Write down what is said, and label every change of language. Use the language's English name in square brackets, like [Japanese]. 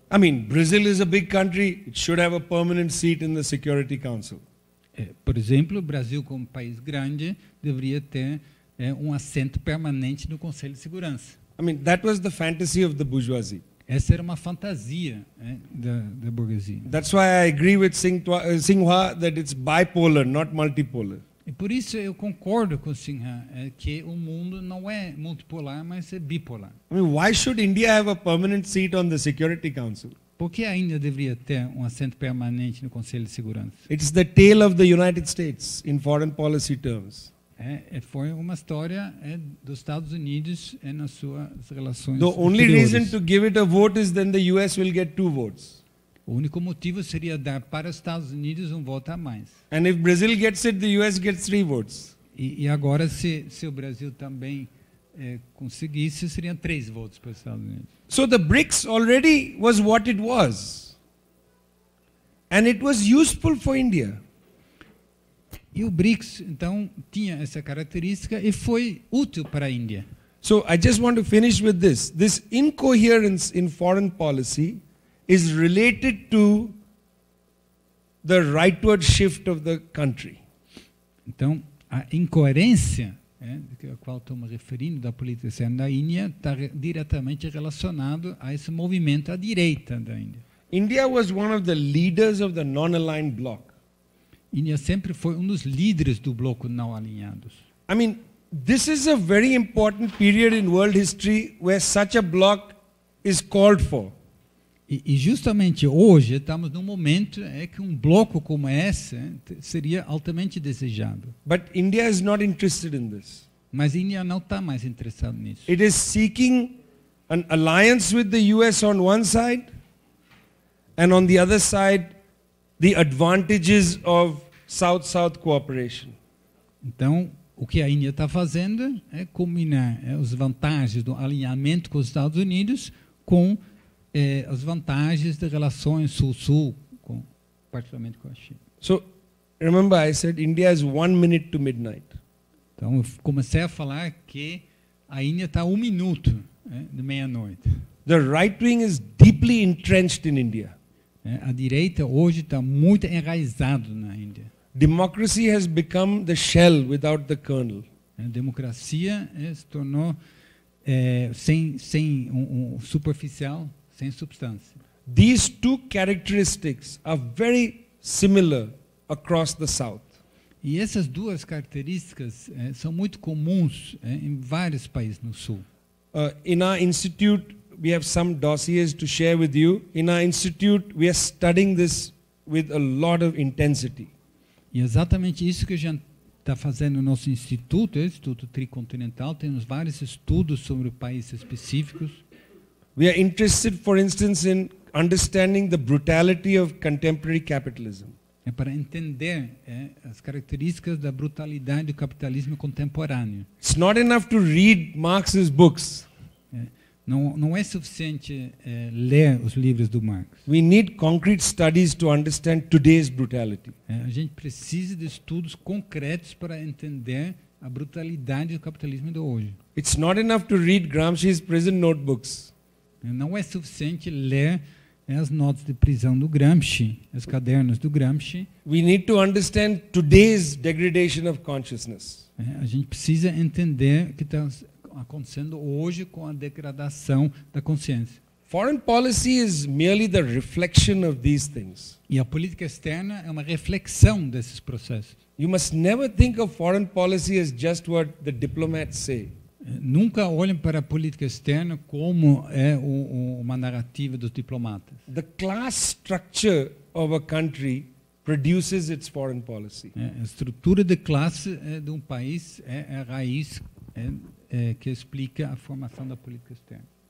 [English] I mean, Brazil is a big country, it should have a permanent seat in the Security Council. [Portuguese] Por exemplo, o Brasil como país grande deveria ter um assento permanente no Conselho de Segurança. [English] I mean, that was the fantasy of the bourgeoisie. [Portuguese] Essa era uma fantasia da burguesia. [English] That's why I agree with Singha that it's bipolar, not multipolar. [Portuguese] E por isso eu concordo com Singha que o mundo não é multipolar, mas é bipolar. [English] I mean, why should India have a permanent seat on the Security Council? [Portuguese] Por que a Índia deveria ter um assento permanente no Conselho de Segurança? [English] It's the tale of the United States in foreign policy terms. [Portuguese] Foi uma história dos Estados Unidos nas suas relações. [English] The only reason to give it a vote is then the US will get two votes. [Portuguese] O único motivo seria dar para os Estados Unidos voto a mais. [English] And if Brazil gets it, the US gets three votes. [Portuguese] E agora se o Brasil também conseguisse, seriam três votos para os Estados Unidos. [English] So the BRICS already was what it was. And it was useful for India. [Portuguese] E o BRICS, então, tinha essa característica e foi útil para a Índia. [English] So, I just want to finish with this. This incoherence in foreign policy is related to the rightward shift of the country. [Portuguese] Então, a incoerência, a qual estou me referindo, da política externa da Índia, está diretamente relacionado a esse movimento à direita da Índia. [English] India was one of the leaders of the non-aligned bloc. [Portuguese] Índia sempre foi dos líderes do bloco não alinhados. [English] I mean, this is a very important period in world history where such a bloc is called for. [Portuguese] E justamente hoje estamos num momento que bloco como esse seria altamente desejado. [English] But India is not interested in this. [Portuguese] Mas Índia não está mais interessada nisso. [English] It is seeking an alliance with the US on one side, and on the other side, the advantages of South-South cooperation. [Portuguese] Então, o que a Índia está fazendo é combinar as vantagens do alinhamento com os Estados Unidos com as vantagens de relações Sul-Sul, com, particularmente com a China. [English] So, remember I said India has 1 minute to midnight. [Portuguese] Então, eu comecei a falar que a Índia está 1 minuto de meia-noite. [English] The right wing is deeply entrenched in India. [Portuguese] A direita hoje está muito enraizada na Índia. [English] Democracy has become the shell without the kernel. [Portuguese] A democracia se tornou sem superficial, sem substância. [English] These two characteristics are very similar across the South. [Portuguese] E essas duas características são muito comuns em vários países no Sul. [English] In our institute, we have some dossiers to share with you. In our institute, we are studying this with a lot of intensity. [Portuguese] E exatamente isso que a gente está fazendo no nosso instituto, o Instituto Tricontinental, temos vários estudos sobre países específicos. [English] We are interested, for instance, in understanding the brutality of contemporary capitalism. [Portuguese] É para entender as características da brutalidade do capitalismo contemporâneo. [English] It's not enough to read Marx's books. [Portuguese] Não é suficiente ler os livros do Marx. [English] We need concrete studies to understand today's brutality. [Portuguese] A gente precisa de estudos concretos para entender a brutalidade do capitalismo de hoje. [English] It's not enough to read Gramsci's prison notebooks. [Portuguese] Não é suficiente ler as notas de prisão do Gramsci, os cadernos do Gramsci. [English] We need to understand today's degradation of consciousness. [Portuguese] A gente precisa entender que está acontecendo hoje com a degradação da consciência. [English] Foreign policy is merely the reflection of these things. [Portuguese] E a política externa é uma reflexão desses processos. [English] You must never think of foreign policy as just what the diplomats say. [Portuguese] Nunca olhem para a política externa como uma narrativa dos diplomatas. [English] The class structure of a country produces its foreign policy. [Portuguese] A estrutura de classe de um país é a raiz que explica a formação da política externa.